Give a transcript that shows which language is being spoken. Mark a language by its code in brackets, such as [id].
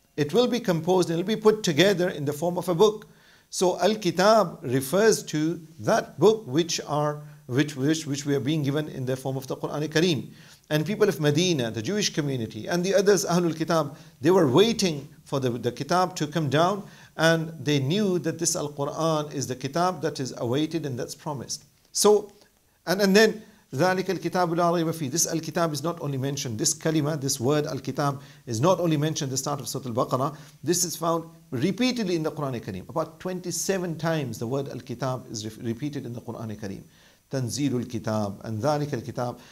[en] It will be composed and it will be put together in the form of a book. So al-kitab refers to that book which we are being given in the form of the Qur'an al-Kareem. And people of Medina, the Jewish community, and the others, Ahlul Kitab, they were waiting for the kitab to come down. And they knew that this Al-Quran is the kitab that is awaited and that's promised. So, and then, [ar] ذَلِكَ الْكِتَابُ لَا رَيْبَ فِيهِ. [en] This Al-Kitab is not only mentioned, this kalima, this word Al-Kitab, is not only mentioned at the start of Surah Al-Baqarah. This is found repeatedly in the Qur'an al-Kareem. About 27 times the word Al-Kitab is repeated in the Qur'an al-Kareem. [ar] تَنْزِيلُ الْكِتَابُ and ذَلِكَ الْكِتَابُ.